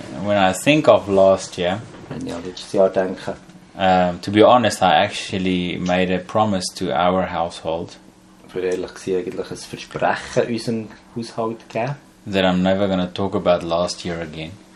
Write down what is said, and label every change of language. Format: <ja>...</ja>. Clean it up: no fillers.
<en>When I think of last year, to be honest, I actually made a promise to our household.</en> <de>Für ehrlich gesagt, eigentlich ein Versprechen unserem Haushalt gegeben.</de> <en>That I'm never going to talk about last year again.</en>